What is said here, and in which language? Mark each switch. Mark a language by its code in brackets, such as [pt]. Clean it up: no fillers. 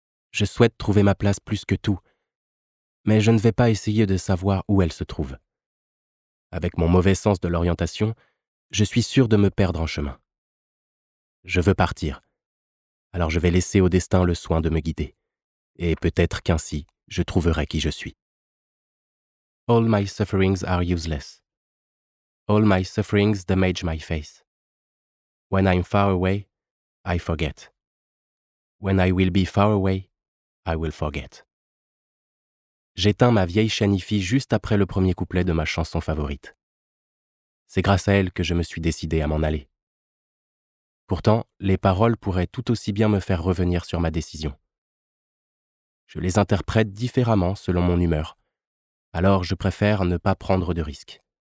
[fr] Je souhaite trouver ma place plus que tout, mais je ne vais pas essayer de savoir où elle se trouve. Avec mon mauvais sens de l'orientation, je suis sûr de me perdre en chemin. Je veux partir, alors je vais laisser au destin le soin de me guider, et peut-être qu'ainsi, je trouverai qui je suis. [en] All my sufferings are useless. All my sufferings damage my face. When I'm far away, I forget. When I will be far away, I will forget. [fr] J'éteins ma vieille chaîne Hi-Fi juste après le premier couplet de ma chanson favorite. C'est grâce à elle que je me suis décidé à m'en aller. Pourtant, les paroles pourraient tout aussi bien me faire revenir sur ma décision. Je les interprète différemment selon mon humeur. Alors je préfère ne pas prendre de risques.